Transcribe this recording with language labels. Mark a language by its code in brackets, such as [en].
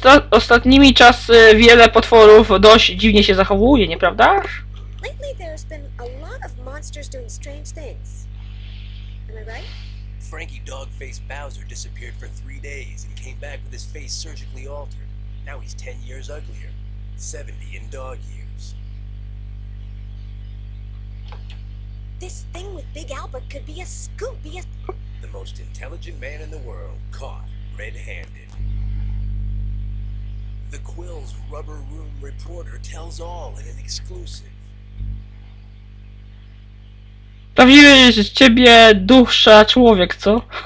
[pl] Ostatnimi czasy wiele potworów dość dziwnie się zachowuje, nieprawda? [en] Lately, there's been a lot of monsters doing strange things. Am I right? Frankie Dogface Bowser disappeared for 3 days and came back with his face surgically altered. Now he's 10 years uglier. 70 in dog years. This thing with Big Albert could be a scoop, be a... The most intelligent man in the world caught red-handed. The Quill's Rubber Room Reporter tells all in an exclusive. [pl] Prawdziwy z ciebie dusza człowiek, co?